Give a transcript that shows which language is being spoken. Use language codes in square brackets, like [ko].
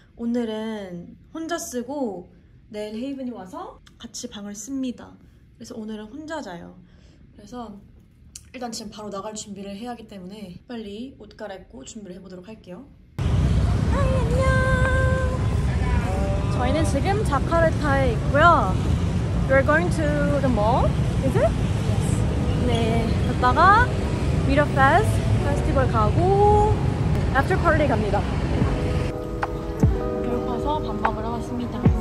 [ko] 오늘은 혼자 쓰고 내일 헤이븐이 와서 같이 방을 씁니다. 그래서 오늘은 혼자 자요. 그래서 일단 지금 바로 나갈 준비를 해야 하기 때문에 빨리 옷 갈아입고 준비를 해보도록 할게요. 하이, 안녕! 저희는 지금 자카르타에 있고요. [en] We're going to the mall, is it? Yes. [ko] 네, 갔다가 Meet Up Fest 페스티벌 가고 애프터 파티 갑니다. 배고파서 밥 먹으러 왔습니다.